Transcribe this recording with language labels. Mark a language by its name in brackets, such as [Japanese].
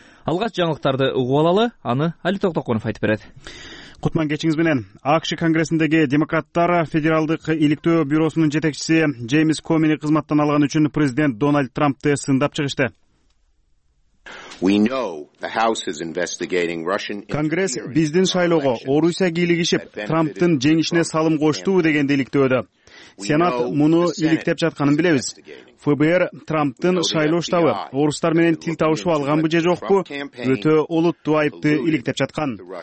[Kyrgyz] Алгач жаңылыктарды угуп алалы, аны Али Токтоконов айтып берет. Кутман кечиңиз менен. АКШ конгрессиндеги демократтар федералдык иликтөө бюросунун жетекчиси Джеймс Комини кызматтан алган үчүн президент Дональд Трампты сындап чыгышты. [English] We know the House is investigating Russian interference. [Kyrgyz] Конгресс биздин шайлоого Орусия кийлигишип, Трамптын жеңишине салым коштуу дегенде иликтөөдө. Сенат муну иликтеп жатканын билебиз. ФБР Трамптын шайлоо штабы орустар менен тил табышып алганбы же жокпу, өтө олуттуу айыпты иликтеп жаткан.